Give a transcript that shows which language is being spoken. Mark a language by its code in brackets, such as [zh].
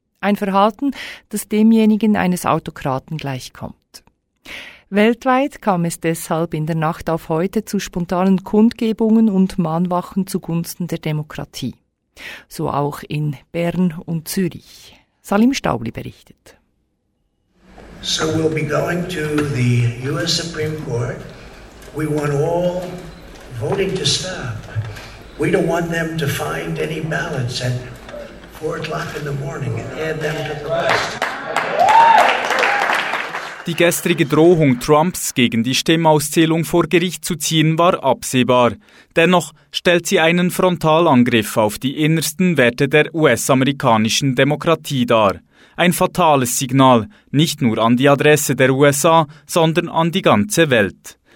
[de] Ein Verhalten, das demjenigen eines Autokraten gleichkommt. Weltweit kam es deshalb in der Nacht auf heute zu spontanen Kundgebungen und Mahnwachen zugunsten der Demokratie. So auch in Bern und Zürich. Salim Staubli berichtet. [en] So we'll be going to the US Supreme Court. We want all voting to stop. We don't want them to find any ballots and 4 o'clock in the morning and add them to the list. [de] Die gestrige Drohung Trumps, gegen die Stimmauszählung vor Gericht zu ziehen, war absehbar. Dennoch stellt sie einen Frontalangriff auf die innersten Werte der US-amerikanischen Demokratie dar. Ein fatales Signal, nicht nur an die Adresse der USA, sondern an die ganze Welt.